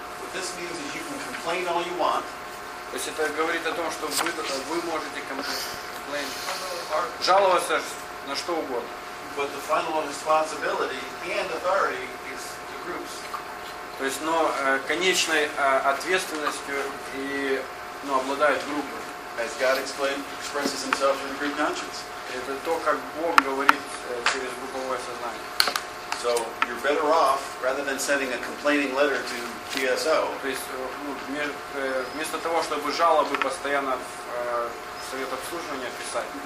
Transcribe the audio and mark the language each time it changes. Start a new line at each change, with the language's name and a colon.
Russian: То есть это говорит о том, что вы можете жаловаться на что угодно. То есть, но конечной ответственностью и, ну, обладают группы.
English: As God explained, expresses himself in the group conscience.
Russian: Это то, как Бог говорит через групповое сознание.
English: So you're better off rather than sending a complaining letter to GSO.
Russian: То есть, ну, вместо того, чтобы жалобы постоянно в совет обслуживания писать.